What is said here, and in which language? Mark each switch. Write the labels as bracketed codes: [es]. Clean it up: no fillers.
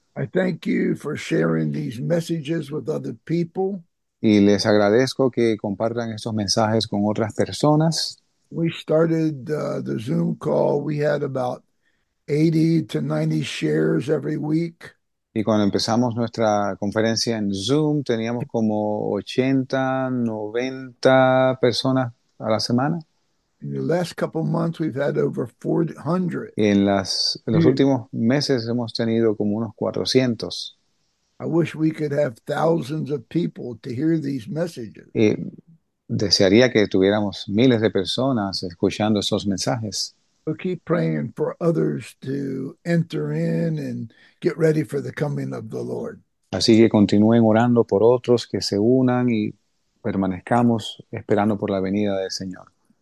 [en] I thank you for sharing these messages with other people. [es] Y les agradezco que compartan estos mensajes con otras personas. [en] We started the Zoom call. We had about 80 to 90 shares every week. [es] Y cuando empezamos nuestra conferencia en Zoom, teníamos como 80, 90 personas a la semana. [en] In the last couple of months, we've had over 400. [es] Y en los últimos meses hemos tenido como unos 400. [en] I wish we could have thousands of people to hear these messages. [es] Y desearía que tuviéramos miles de personas escuchando esos mensajes. [en] We'll keep praying for others to enter in and get ready for the coming of the Lord. [es] Así que continúen orando por otros que se unan y permanezcamos esperando por la venida del Señor.